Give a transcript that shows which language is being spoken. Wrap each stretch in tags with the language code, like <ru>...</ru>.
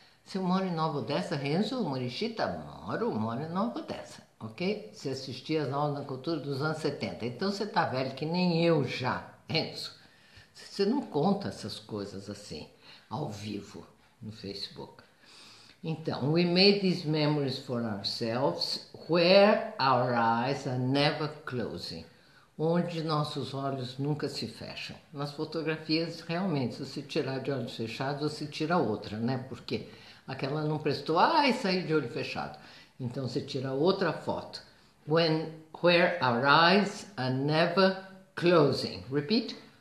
<pt>Você mora em Nova Odessa, Renzo? Morichita? Moro em Nova Odessa. Ok? Você assistia as aulas na cultura dos anos 70. Então você tá velho que nem eu já, Renzo. Você não conta essas coisas assim, ao vivo, no Facebook.</pt> <en>Então, we made these memories for ourselves, where our eyes are never closing.</en> <pt>Onde nossos olhos nunca se fecham. Nas fotografias, realmente, se você tirar de olhos fechados, você tira outra, né? Porque aquela não prestou, ai, saí de olho fechado. Então, você tira outra foto.</pt> <en>Where our eyes are never closing. Repeat.</en>